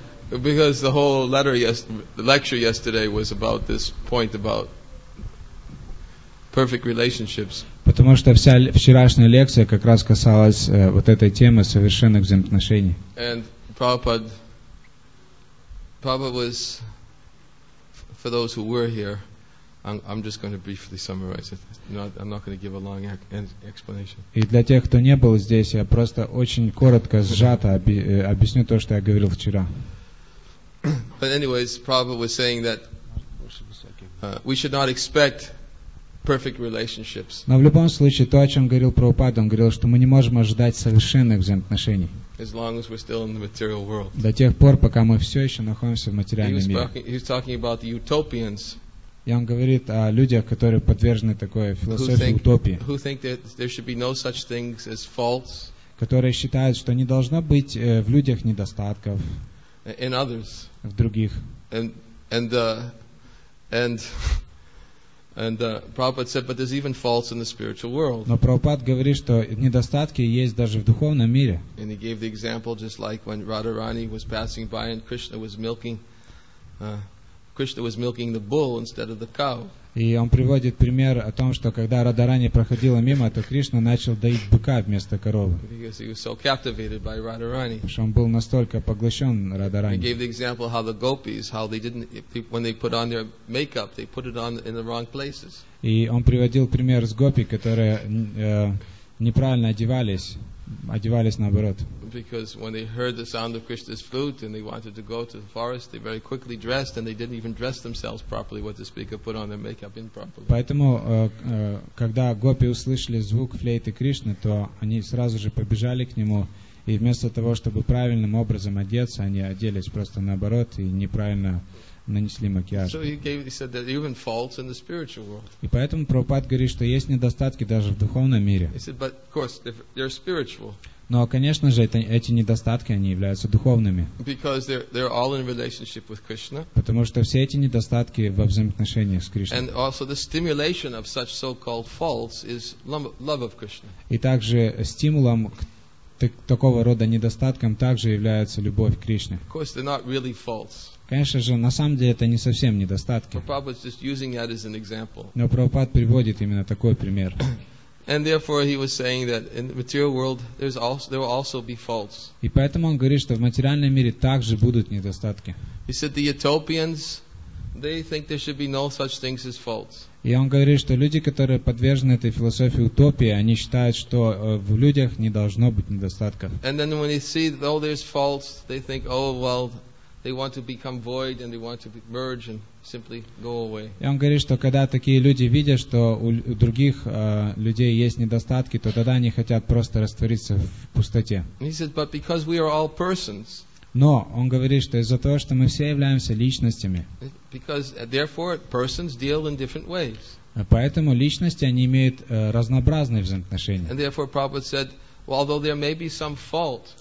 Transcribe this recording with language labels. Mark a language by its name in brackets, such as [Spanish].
[English] Because the whole letter, the lecture yesterday was about this point about perfect relationships. [Russian] Потому что вся вчерашняя лекция как раз касалась вот этой темы совершенных взаимоотношений. [English] And Prabhupada was, for those who were here, I'm just going to briefly summarize it. I'm not going to give a long explanation. [Russian] И для тех, кто не был здесь, я просто очень коротко, сжато объясню то, что я говорил вчера. [English] But anyways, Prabhupada was saying that we should not expect perfect relationships. [Russian] Но в любом случае, то, о чем говорил Прабхупада, он говорил, что мы не можем ожидать совершенных взаимоотношений. [English] As long as we're still in the material world. [Russian] До тех пор, пока мы все еще находимся в материальном мире. [English] He was talking about the utopians. [Russian] И он говорит о людях, которые подвержены такой философии утопии. [English] Who think that there should be no such things as faults. [Russian] Которые считают, что не должно быть в людях недостатков. [English] In others. [Russian] В других. [English] Prabhupada said, but there's even faults in the spiritual world. [Russian] Но Прабхупад говорит, что недостатки есть даже в духовном мире. [English] And he gave the example just like when Radharani was passing by and Krishna was milking the bull instead of the cow. [Russian] И он приводит пример о том, что когда Радарани проходила мимо, то Кришна начал доить быка вместо коровы. [English] Because he was so captivated by Radharani. [Russian] Потому что он был настолько поглощен Радарани. [English] He gave the example of how the gopis, how they didn't, when they put on their makeup, they put it on in the wrong places. [Russian] И он приводил пример с гопи, которые неправильно одевались наоборот. [English] Because when they heard the sound of Krishna's flute and they wanted to go to the forest, they very quickly dressed and they didn't even dress themselves properly, what the speaker put on their makeup improperly. [Russian] Поэтому, когда гопи услышали звук флейты Кришны, то они сразу же побежали к нему, и вместо того, чтобы правильным образом одеться, они оделись просто наоборот и неправильно нанесли макияж. [English] So he said that even faults in the spiritual world. [Russian] И поэтому Прабхупад говорит, что есть недостатки даже в духовном мире. [English] He said, but of course, if they're spiritual. [Russian] Но, конечно же, эти недостатки, они являются духовными. [English] Because they're all in relationship with Krishna. [Russian] Потому что все эти недостатки во взаимоотношениях с Кришной. [English] And also the stimulation of such so-called faults is love of Krishna. [Russian] И также стимулом к такого рода недостаткам также является любовь к Кришне. [English] Of course, they're not really faults. [Russian] Конечно же, на самом деле это не совсем недостатки. [English] But Prabhupada's just using that as an example. [Russian] Но Прабхупад приводит именно такой пример. [English] And therefore he was saying that in the material world there will also be faults. [Russian] И поэтому он говорит, что в материальном мире также будут недостатки. [English] He said the utopians, they think there should be no such things as faults. [Russian] И он говорит, что люди, которые подвержены этой философии утопии, они считают, что в людях не должно быть недостатков. [English] And then when they see that all there's faults, they think, oh well, they want to become void and they want to merge and simply go away. [Russian] И он говорит, что когда такие люди видят, что у других людей есть недостатки, то тогда они хотят просто раствориться в пустоте. [English] He said, but because we are all persons. [Russian] Но он говорит, что из-за того, что мы все являемся личностями. [English] Because therefore persons deal in different ways. [Russian] Поэтому личности они имеют разнообразные взаимоотношения. [English] And therefore Prabhupada said, well, although there may be some fault.